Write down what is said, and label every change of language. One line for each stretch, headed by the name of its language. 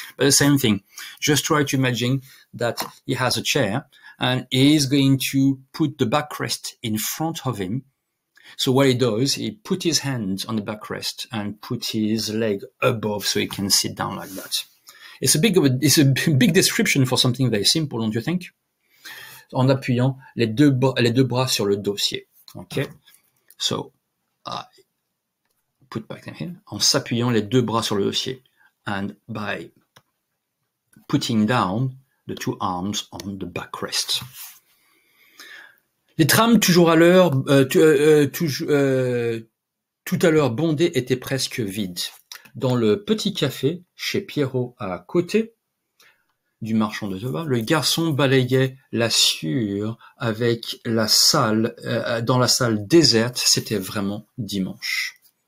English: But the same thing, just try to imagine that he has a chair and he is going to put the backrest in front of him. So what he does, he put his hand on the backrest and put his leg above so he can sit down like that. It's a big description for something very simple, don't you think?
French: En appuyant les deux bras sur le dossier. Okay?
English: So, I put back in here.
French: En s'appuyant les deux bras sur le dossier.
English: And by putting down the two arms on the backrest.
French: Les trams toujours à l'heure, tout à l'heure bondés étaient presque vides. Dans le petit café chez Pierrot à côté du marchand de tabac, le garçon balayait la sciure avec la salle, dans la salle déserte, c'était vraiment dimanche.